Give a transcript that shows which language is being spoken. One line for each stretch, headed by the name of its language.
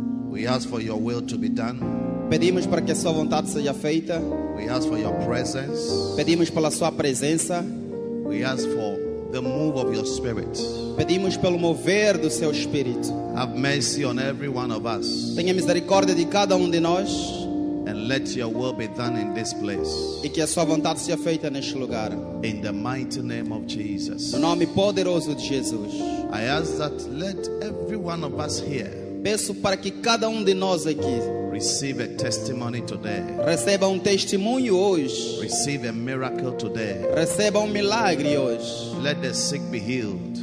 English: We ask for your will to be done.
Portuguese: Pedimos para que a sua vontade seja feita.
English: We ask for your presence.
Portuguese: Pedimos pela sua presença.
English: We ask for the move of your spirit.
Portuguese: Pedimos pelo mover do seu espírito.
English: Have mercy on every one of us.
Portuguese: Tenha misericórdia de cada de nós.
English: And let your will be done in this place.
Portuguese: E que a sua vontade seja feita neste lugar.
English: In the mighty name of Jesus.
Portuguese: No nome poderoso de Jesus.
English: I ask that let every one of us here.
Portuguese: Peço para que cada de nós aqui
English: receive a testimony today.
Portuguese: Receba testemunho hoje.
English: Receive a miracle today.
Portuguese: Receba milagre hoje.
English: Let the sick be healed.